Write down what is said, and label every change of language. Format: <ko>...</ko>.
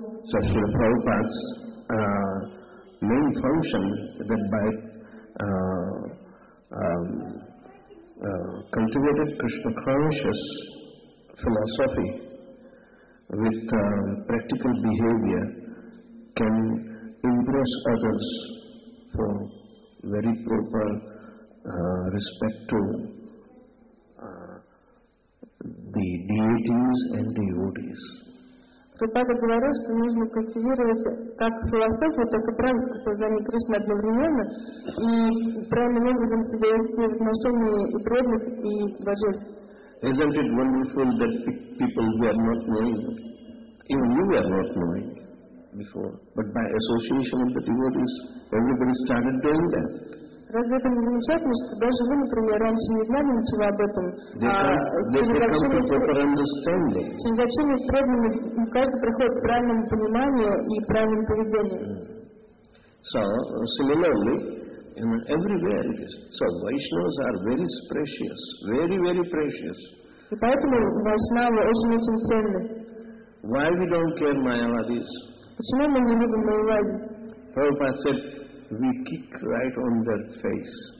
<en>So Srila Prabhupada's main function, that by cultivated Krishna conscious philosophy with practical behavior, can impress others for very proper respect to the deities and devotees.</en> <ru>Кто-то говорил, что нужно культивировать как философию, так и практику создания Кришны одновременно, и правильным образом себя вести в отношении и преданных, и божеств.</ru> <en>Isn't it wonderful that people who are not knowing, even you were not knowing before, but by association of the devotees, everybody started doing that.</en> <ru>Разве это не замечательно, что даже вы, например, раньше не знали ничего об этом, через общение с преданными, каждый приходит к правильному пониманию и правильному поведению.</ru> <en>So, similarly, in everywhere it is. So, Vaishnavas are very precious, very, very precious.</en> <ru>И поэтому Вайшнавы очень-очень ценны.</ru> <en>Why we don't care Mayavadis?</en> <ru>Почему мы не любим Майявади?</ru> <en>Prabhupada said, we kick right on their face.</en>